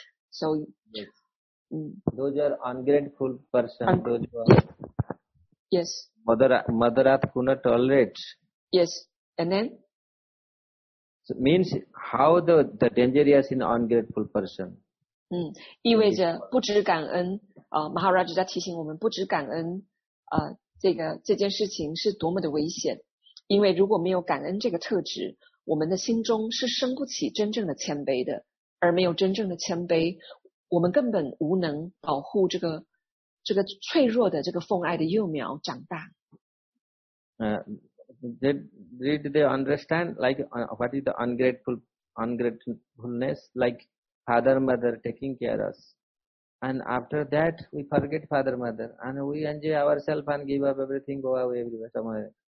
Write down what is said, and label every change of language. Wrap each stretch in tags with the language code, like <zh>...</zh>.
<en>So, Those are ungrateful person. Mother Earth cannot tolerate. Yes, and then. So means how the danger is in ungrateful person.</en> <zh>意味着不知感恩啊，Maharaj在提醒我们不知感恩啊，这件事情是多么的危险。因为如果没有感恩这个特质，我们的心中是生不起真正的谦卑的，而没有真正的谦卑，我们根本无能保护这个脆弱的这个奉爱的幼苗长大。</zh> <en>Did they understand like what is the ungratefulness like? Father, mother taking care of us. And after that, we forget father, mother. And we enjoy ourselves and give up everything, go away everywhere, somewhere.</en>